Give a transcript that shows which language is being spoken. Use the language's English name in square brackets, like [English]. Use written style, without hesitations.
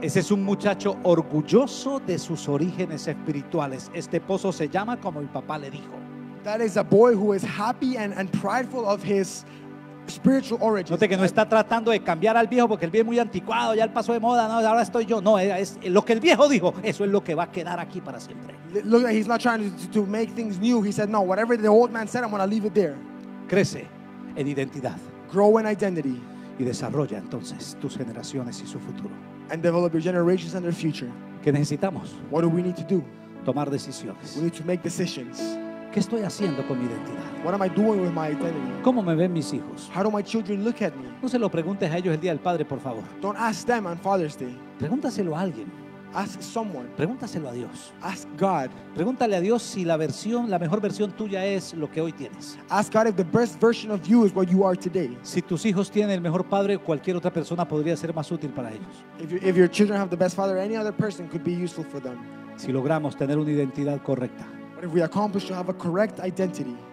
[Spanish] Ese es un muchacho orgulloso de sus orígenes espirituales. Este pozo se llama como mi papá le dijo. [English] That is a boy who is happy and prideful of his spiritual origin. [Spanish] Note que no está tratando de cambiar al viejo porque el viejo es muy anticuado, ya el paso de moda, no, ahora estoy yo. No, es lo que el viejo dijo, eso es lo que va a quedar aquí para siempre. [English] Look, he's not trying to make things new. He said, no, whatever the old man said, I'm going to leave it there. [Spanish] Crece en identidad. [English] Grow in identity. [Spanish] Y desarrolla entonces tus generaciones y su futuro. [English] And develop your generations and their future. [Spanish] ¿Qué necesitamos? [English] What do we need to do? [Spanish] Tomar decisiones. [English] We need to make decisions. [Spanish] ¿Qué estoy haciendo con mi identidad? [English] What am I doing with my identity? [Spanish] ¿Cómo me ven mis hijos? [English] How do my children look at me? [Spanish] No se lo preguntes a ellos el día del Padre, por favor. [English] Don't ask them on Father's Day. [Spanish] Pregúntaselo a alguien. [English] Ask someone. [Spanish] Pregúntaselo a Dios. [English] Ask God. [Spanish] Pregúntale a Dios si la mejor versión tuya es lo que hoy tienes. [English] Ask God if the best version of you is what you are today. [Spanish] Si tus hijos tienen el mejor padre, cualquier otra persona podría ser más útil para ellos. [English] If your children have the best father, any other person could be useful for them. [Spanish] Si logramos tener una identidad correcta. [English] But if we accomplish to have a correct identity.